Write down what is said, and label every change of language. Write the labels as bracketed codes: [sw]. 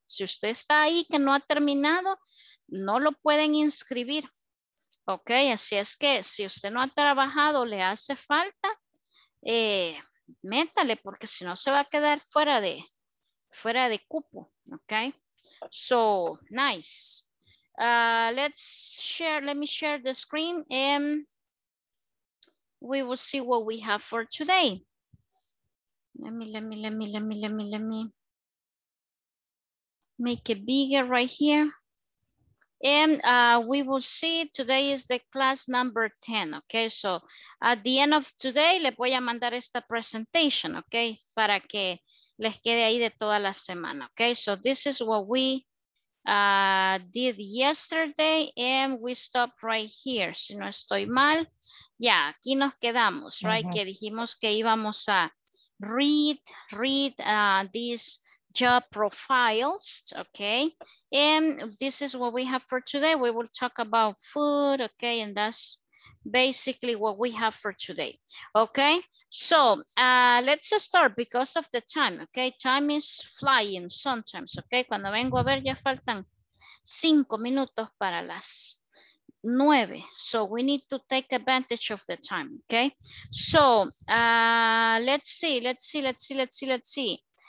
[es] Si usted está ahí que no ha terminado, no lo pueden inscribir. Ok, así es que si usted no ha trabajado, le hace falta, métale, porque si no se va a quedar fuera de cupo. [en] Ok, so nice. Let me share the screen and we will see what we have for today. Let me make it bigger right here. And we will see today is the class number 10, okay? So at the end of today, [es] le voy a mandar esta [en] presentation, okay? [es] Para que les quede ahí de toda la semana, okay? [en] So this is what we did yesterday and we stopped right here. [es] Si no estoy mal, ya, yeah, aquí nos quedamos, right? Uh-huh. Que dijimos que íbamos a [en] read these job profiles, [es] okay? [en] And this is what we have for today. We will talk about food, okay? And that's basically what we have for today, okay? So let's start because of the time, okay? Time is flying sometimes, okay? [es] Cuando vengo a ver ya faltan 5 minutos para las 9. [en] So we need to take advantage of the time, okay? So let's see.